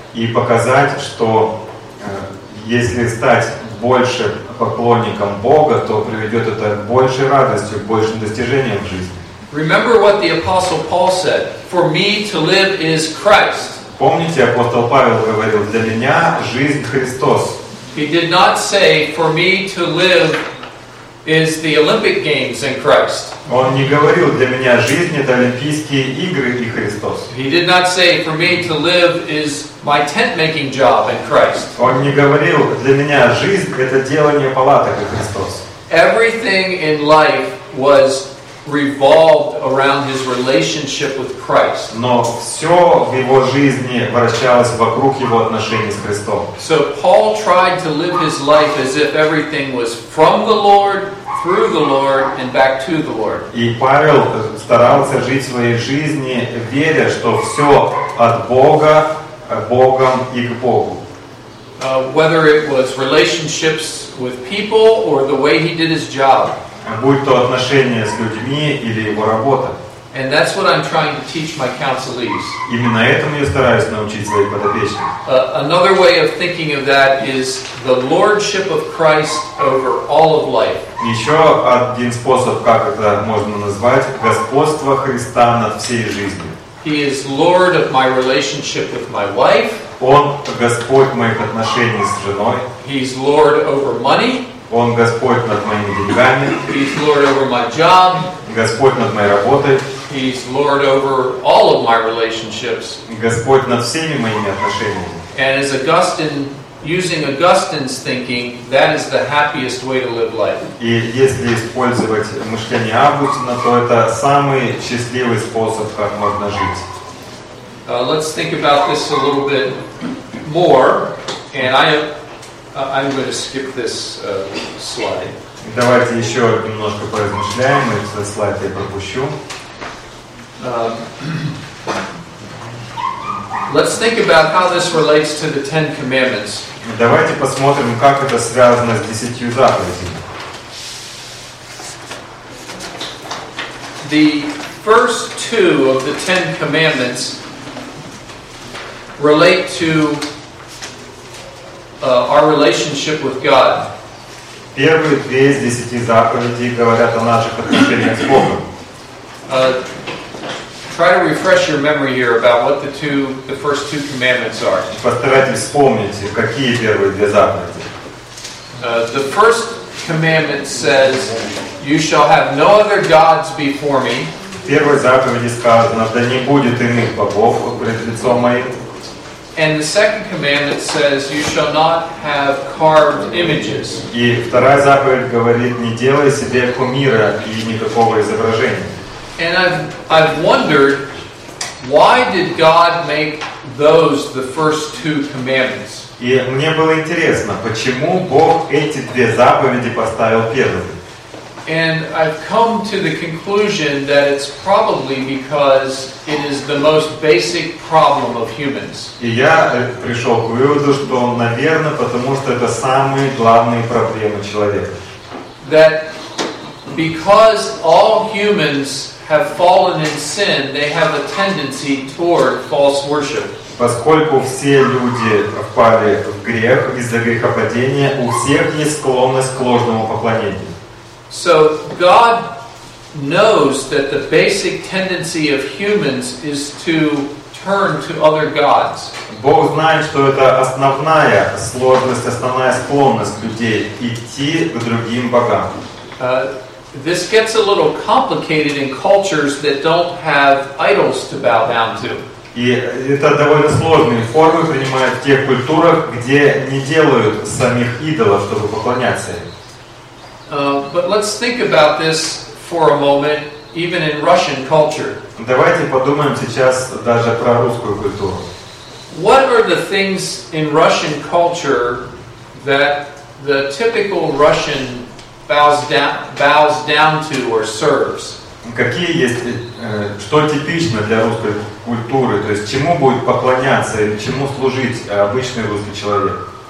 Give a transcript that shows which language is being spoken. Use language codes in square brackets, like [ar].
[ru] И показать, что если стать больше поклонником Бога, то приведет это к большей радости, к большим достижениям в жизни. [en] Remember what the Apostle Paul said, for me to live is Christ. [ru] Помните, апостол Павел говорил, для меня жизнь Христос. [en] He did not say, for me to live is the Olympic Games in Christ. [ru] Он не говорил, для меня жизнь это Олимпийские игры и Христос. [en] He did not say, for me to live is my tent-making job in Christ. [ru] Он не говорил, для меня жизнь это делание палаток и Христос. [en] Everything in life was revolved around his relationship with Christ. [ru] Но все в его жизни вращалось вокруг его отношений с Христом. [en] So Paul tried to live his life as if everything was from the Lord, through the Lord, and back to the Lord. [ru] И Павел старался жить своей жизни, веря, что все от Бога, Богом и к Богу. [en] Whether it was relationships with people or the way he did his job. [ru] Будь то отношения с людьми или его работа. [en] And that's what I'm trying to teach my counselees. [ru] Именно этому я стараюсь научить своих подопечных. [en] Another way of thinking of that is the lordship of Christ over all of life. [ru] Еще один способ, как это можно назвать, господство Христа над всей жизнью. [en] He is Lord of my relationship with my wife. [ru] Он Господь моих отношений с женой. [en] He's Lord over money. [ru] Он Господь над моими деньгами. [en] He's Lord over my job. [ru] Господь над моей работой. [en] He's Lord over all of my relationships. [ru] Господь над всеми моими отношениями. [en] And as Augustine, using Augustine's thinking, that is the happiest way to live life. [ru] И если использовать мышление Августина, то это самый счастливый способ, как можно жить. [en] Let's think about this a little bit more, and I'm going to skip this slide. [ru] Давайте еще немножко поразмышляем, и этот слайд я пропущу. [en] Let's think about how this relates to the Ten Commandments. [ru] Давайте посмотрим, как это связано с десятью заповедями. [en] The first two of the Ten Commandments relate to our relationship with God. [ru] Первые две из десяти заповедей говорят о наших отношениях с Богом. [en] Try to refresh your memory here about what the first two commandments are. [ru] Постарайтесь вспомнить, какие первые две заповеди. [en] The first commandment says, "You shall have no other gods before me." [ru] В первой заповеди сказано, да не будет иных богов пред лицом моим. [en] And the second commandment says, "You shall not have carved images." [ru] И вторая заповедь говорит, не делай себе кумира и никакого изображения. [en] And I've wondered, why did God make those the first two commandments? [ru] И мне было интересно, почему Бог эти две заповеди поставил первыми? [en] And I've come to the conclusion that it's probably because it is the most basic problem of humans. [ru] И я пришел к выводу, что, наверное, потому что это самые главные проблемы человека. [en] That because all humans have fallen in sin, they have a tendency toward false worship. [ru] Поскольку все люди впали в грех из-за грехопадения, у всех есть склонность к ложному поклонению. [en] So God knows that the basic tendency of humans is to turn to other gods. [ru] Бог знает, что это основная сложность, основная склонность людей идти к другим богам. [en] This gets a little complicated in cultures that don't have idols to bow down to. [ru] И это довольно сложные формы принимают в тех культурах, где не делают самих идолов, чтобы поклоняться им. [en] But let's think about this for a moment, even in Russian culture. [ru] Давайте подумаем сейчас даже про русскую культуру. [en] What are the things in Russian culture that the typical Russian bows down to or serves? [ru] Какие есть, что типично для русской культуры, то есть чему будет поклоняться или чему служить обычный русский человек?